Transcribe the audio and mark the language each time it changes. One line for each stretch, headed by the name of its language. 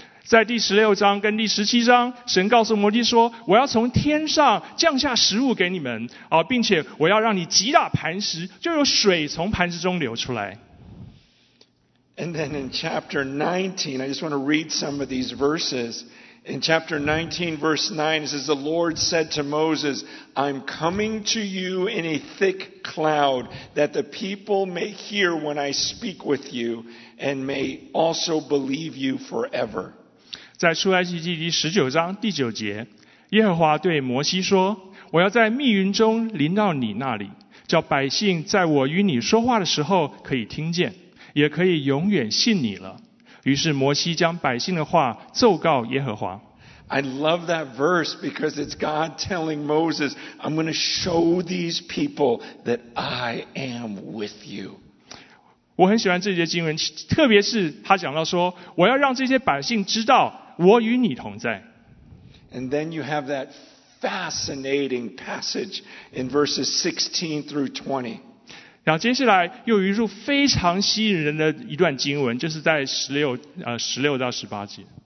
Chinese: 在第16章跟第17章，神告诉摩西说，我要从天上降下食物给你们，并且我要让你击打磐石，就有水从磐石中流出来。
English: And then in chapter 19, I just want to read some of these verses. In chapter 19, verse 9, it says, The Lord said to Moses, I'm coming to you in a thick cloud, that the people may hear when I speak with you, and may also believe you forever.
Chinese: 在出埃及记第19章第9节，耶和华对摩西说，我要在密云中临到你那里，叫百姓在我与你说话的时候可以听见，也可以永远信你了。于是摩西将百姓的话奏告耶和华。
English: I love that verse because it's God telling Moses, I'm going to show these people that I am with you.
Chinese: 我很喜欢这节经文，特别是他讲到说，我要让这些百姓知道我与你同在。
English: And then you have that fascinating passage in verses 16 through 20.
Chinese: 然后接下来又有一处非常吸引人的一段经文，就是在16到18节。